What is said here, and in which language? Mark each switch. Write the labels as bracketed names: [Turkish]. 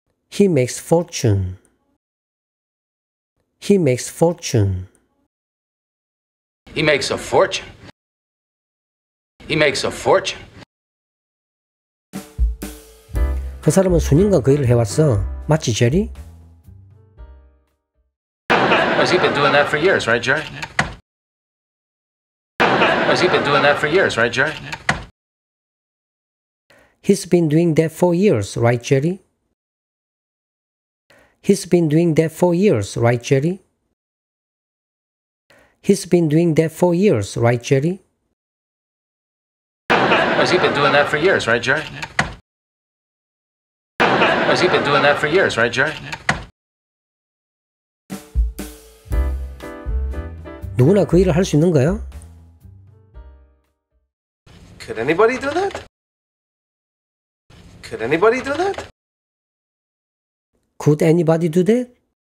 [English] He makes fortune. He makes fortune. He makes a fortune. He makes a fortune. [Korean] 그 사람은 수년간 그 일을 해왔어. 맞지, 제리? [English] He's been doing that for years, right, Jerry? Yeah. He's been doing that for years, right, Jerry? Yeah. He's been doing that for years, right, Jerry? He's been doing that for years, right, Jerry? He's been doing that for years, right, Jerry? Has he been doing that for years, right, Jerry? Has he been doing that for years, right, Jerry? [Korean] 누구나 그 일을 할 수 있는 거야? [English] Could anybody do that? Could anybody do that? Could anybody do that?